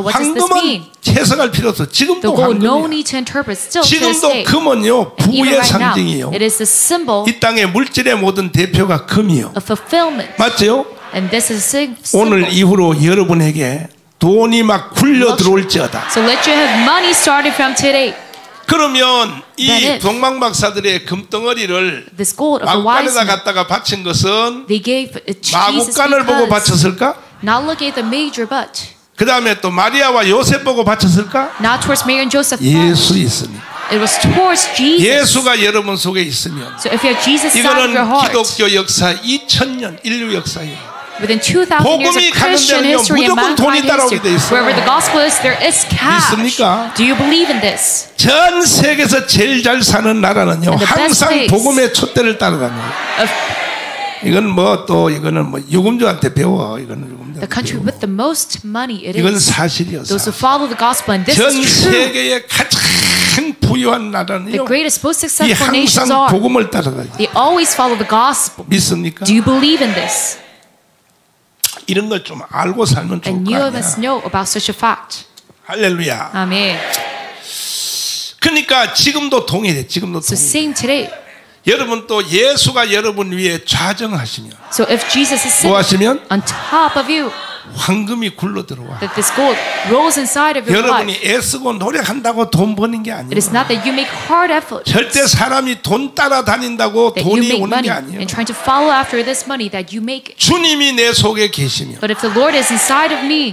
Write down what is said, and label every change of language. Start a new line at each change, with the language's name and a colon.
Korean: 황금은 해석할 필요 없어. 지금도 황금이야.
English: No need to
Korean: 지금도
English: to
Korean: 금은요 부의 상징이요.
English: Right now,
Korean: 이 땅의 물질의 모든 대표가 금이요. 맞죠? 오늘 이후로 여러분에게 돈이 막 굴려 들어올지어다.
English: So let you have money started from today.
Korean: 그러면 이 동방박사들의 금덩어리를 마구간에다 갖다가 바친 것은 마구간을 보고 바쳤을까?
English: Not looking at the major but.
Korean: 그 다음에 또 마리아와 요셉 보고 바쳤을까?
English: Not towards Mary and Joseph.
Korean: 예수 있습니다.
English: It was towards Jesus.
Korean: 예수가 여러분 속에 있으면.
English: So if you have Jesus inside your heart.
Korean: 이거는 기독교 역사 2000년 인류 역사예요.
English: Within 2,000 years of Christian history and mankind history, wherever the gospel is, there is cash.
Korean: 믿습니까?
English: Do you believe in this?
Korean: 전 세계에서 제일 잘 사는 나라는요, 항상 복음의 촛대를 따라가는. 이건 뭐 또 이거는 뭐 유금주한테 배워 이거는 유금주.
English: The country with the most money, it is.
Korean: 이건 사실이야.
English: Those who follow the gospel and this is true.
Korean: 전 세계의 가장 부유한 나라는요.
English: The greatest, most successful nations are.
Korean: 이 항상 복음을 따라가요.
English: They always follow the gospel.
Korean: 믿습니까?
English: Do you believe in this?
Korean: 이런 걸 좀 알고 살면 좋을 거 아니야.
English: And you must know about such a fact.
Korean: 할렐루야. 아멘. 그러니까 지금도 동일해. 지금도 동일해.
English: So same today.
Korean: 여러분 또 예수가 여러분 위에 좌정하시면.
English: So if Jesus is sitting on top of you.
Korean: 황금이 굴러 들어와.
English: That this gold rolls inside of your
Korean: 여러분이
English: life.
Korean: 여러분이 애쓰고 노력한다고 돈 버는 게 아니에요.
English: It is not that you make hard effort.
Korean: 절대 사람이 돈 따라다닌다고 돈이 오는 게 아니에요.
English: That you make money and trying to follow after this money that you make.
Korean: 주님이 내 속에 계시면.
English: But if the Lord is inside of me.